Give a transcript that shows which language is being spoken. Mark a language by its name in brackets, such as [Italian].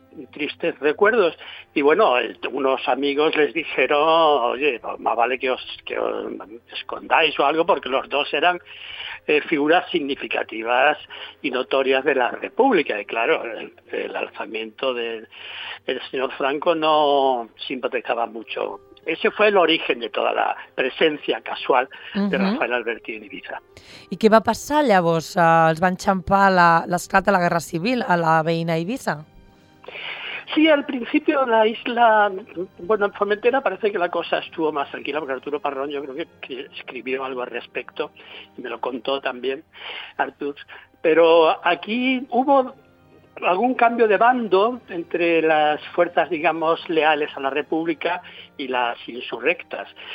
[Spanish] tristes recuerdos, y bueno, unos amigos les dijeron, oye, pues más vale que os escondáis o algo, porque los dos eran figuras significativas y notorias de la República, y claro, el alzamiento del señor Franco no simpatizaba mucho. Ese fue el origen de toda la presencia casual de Rafael Alberti en Eivissa. ¿Y qué va a pasar, llavors? [Catalan] ¿Els va enxampar l'esclat de la Guerra Civil a la veïna Eivissa? [Spanish] Sí, al principio la isla, bueno, en Formentera parece que la cosa estuvo más tranquila, porque Arturo Parrón yo creo que escribió algo al respecto, y me lo contó también Artur, pero aquí hubo algún cambio de bando entre las fuerzas, digamos, leales a la República y las insurrectas.